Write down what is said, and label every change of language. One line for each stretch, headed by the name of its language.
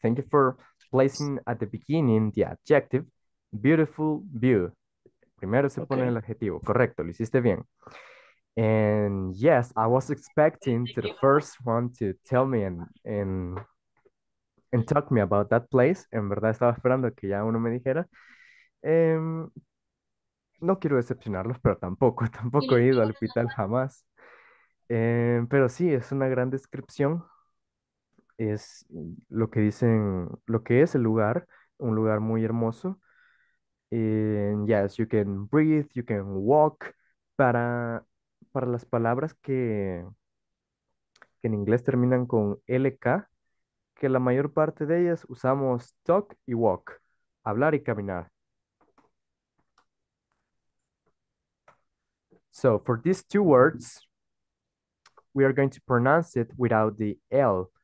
English: Thank you for placing at the beginning the adjective, beautiful view.
Spanish: Primero se pone el adjetivo. Correcto, lo hiciste bien.
English: And yes, I was expecting to the first one to tell me and talk me about that place.
Spanish: En verdad estaba esperando que ya uno me dijera. No quiero decepcionarlos, pero tampoco he ido al hospital jamás. Pero sí, es una gran descripción. Es lo que dicen, lo que es el lugar, un lugar muy hermoso.
English: And yes, you can breathe, you can walk.
Spanish: Para las palabras que en inglés terminan con LK, que la mayor parte de ellas usamos talk y walk, hablar y caminar.
English: So, for these two words, we are going to pronounce it without the L.